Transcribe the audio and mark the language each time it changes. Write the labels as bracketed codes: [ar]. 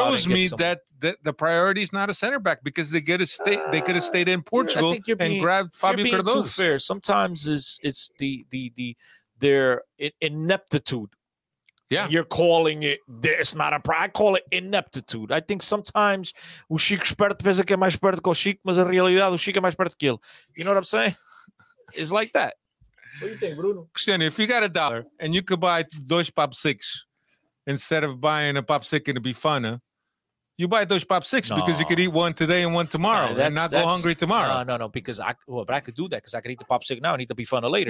[en] But that just shows me that the priority is not a center back because they get a they could have stayed in Portugal and grabbed Fabio Cardoso. You're being too fair. Sometimes it's the their ineptitude. Yeah. You're calling it – it's not a – I call it ineptitude. I think sometimes [pt] – o Chico esperto pensa que é mais esperto que o Chico, mas a realidade o Chico é mais esperto que ele. [en] You know what I'm saying? It's like that. What do you think, Bruno? Cristiano, if you got a dollar and you could buy dois pop six instead of buying a pop six and be fun, you buy dois pop six because you could eat one today and one tomorrow go hungry tomorrow. No, because I could do that because I could eat the pop six now and eat the bifana later.